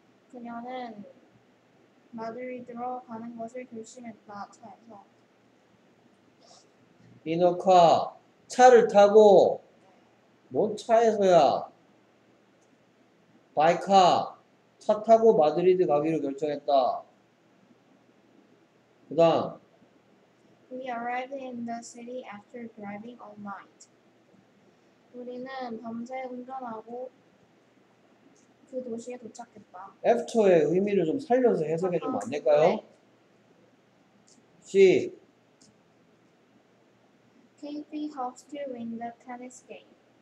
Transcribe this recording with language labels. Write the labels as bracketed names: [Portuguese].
[Korean] 그녀는 마드리드로 가는 것을 결심했다. 차에서 인어카 차를 타고 뭔 차에서야 바이카 차 타고 마드리드 가기로 결정했다. 그다음 [English] We arrived in the city after driving all night. [Korean] 우리는 밤새 운전하고 그 도시에 도착했다. After의 의미를 좀 살려서 해석해 주면 안 될까요? 시 네. [English] KT hopes to win the tennis game.